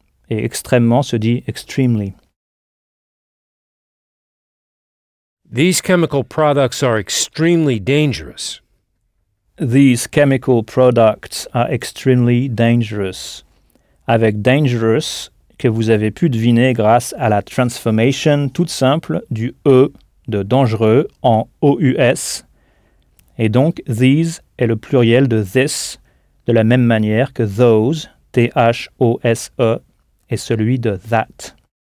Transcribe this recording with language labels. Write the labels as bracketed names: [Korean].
[French] Et extrêmement se dit extremely. [English] These chemical products are extremely dangerous. These chemical products are extremely dangerous. [French] Avec dangerous que vous avez pu deviner grâce à la transformation toute simple du E de dangereux en OUS. Et donc, these est le pluriel de this, de la même manière que those, T-H-O-S-E, est celui de that.